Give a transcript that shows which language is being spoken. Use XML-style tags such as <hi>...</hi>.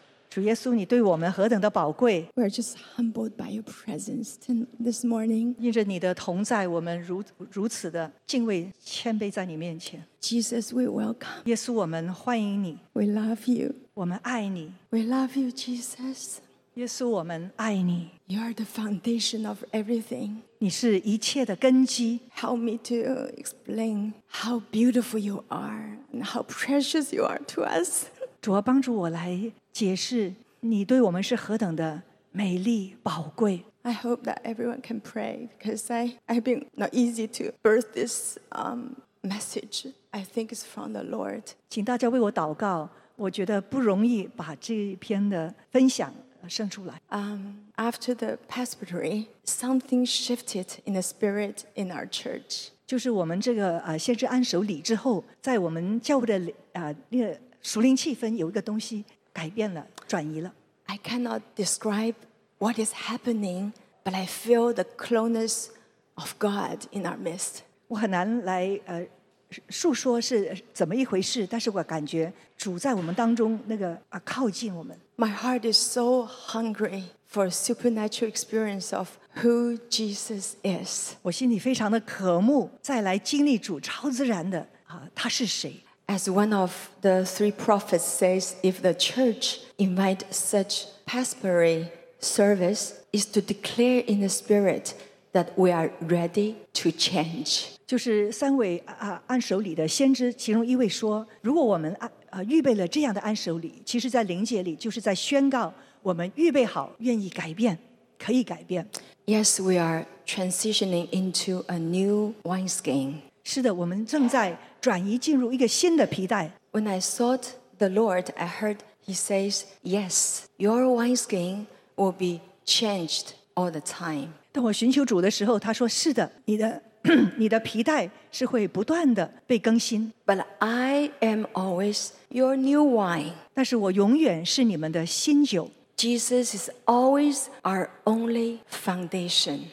<zh>主耶稣，你对我们何等的宝贵。</zh> <en>We are just humbled by your presence this morning.</en> <zh>因着你的同在，我们如此的敬畏谦卑在你面前。</zh> <en>Jesus, we welcome.</en> <zh>耶稣，我们欢迎你。</zh> <en>We love you.</en> <zh>我们爱你。</zh> <en>We love you, Jesus.</en> <zh>耶稣，我们爱你。</zh> <en>You are the foundation of everything.</en> <zh>你是一切的根基。</zh> <en>Help me to explain how beautiful you are and how precious you are to us.</en> <zh>主要帮助我来解释你对我们是何等的美丽宝贵。</zh> <en>I hope that everyone can pray because I've been not easy to birth this message. I think it's from the Lord.</en> <zh>请大家为我祷告，我觉得不容易把这篇的分享生出来。</zh> <en>After the presbytery, something shifted in the spirit in our church.</en> <zh>就是我们这个先知安守礼之后，在我们教会的那个属灵气氛有一个东西改变了，转移了。</zh> <en>I cannot describe what is happening, but I feel the closeness of God in our midst.</en> <zh>我很难来述说是怎么一回事，但是我感觉主在我们当中那个靠近我们。</zh> <en>My heart is so hungry for a supernatural experience of who Jesus is.</en> <zh>我心里非常的渴慕再来经历主超自然的他是谁。</zh> <en>As one of the three prophets says, if the church invite such presbytery service is to declare in the spirit that we are ready to change.</en> <zh>就是三位按手礼的先知其中一位说，如果我们预备了这样的按手礼，其实在灵界里就是在宣告我们预备好愿意改变，可以改变。</zh> <en>Yes, we are transitioning into a new wineskin.</en> <zh>是的，我们正在转移进入一个新的皮带。</zh> <en>When I sought the Lord, I heard he says, yes, your wineskin will be changed all the time.</en> <zh>当我寻求主的时候，他说是的，你的皮带是会不断的被更新。</zh> <en>But I am always your new wine.</en> <zh>但是我永远是你们的新酒。</zh> <en>Jesus is always our only foundation.</en>